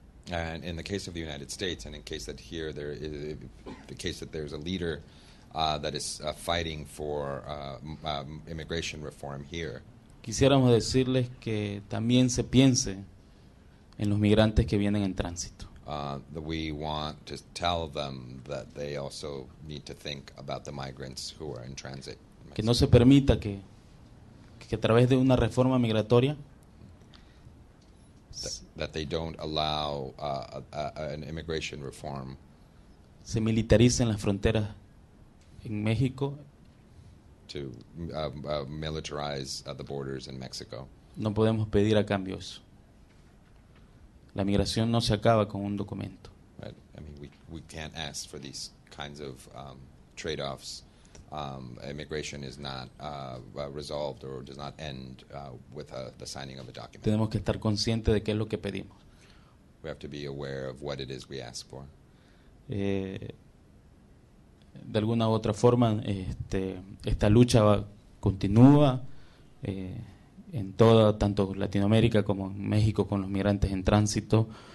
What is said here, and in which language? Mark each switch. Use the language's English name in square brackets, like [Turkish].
[English] And in the case of the United States, and in case that here there is the case that there's a leader that is fighting for immigration reform here. [Spanish] Quisiéramos decirles que también se piense en los migrantes que vienen en tránsito. [English] We want to tell them that they also need to think about the migrants who are in transit. [Spanish] Que no se permita que a través de una reforma migratoria [English] that they don't allow an immigration reform [Spanish] se militaricen las fronteras en México [English] to militarize the borders in Mexico. [Spanish] No podemos pedir a cambio eso. La migración no se acaba con un documento. [English] Right. I mean, we can't ask for these kinds of trade-offs. Immigration is not resolved or does not end with the signing of a document. [Spanish] Tenemos que estar conscientes de qué es lo que pedimos. [English] We have to be aware of what it is we ask for. [Spanish] De alguna u otra forma, esta lucha continúa en toda, tanto Latinoamérica como en México, con los migrantes en tránsito.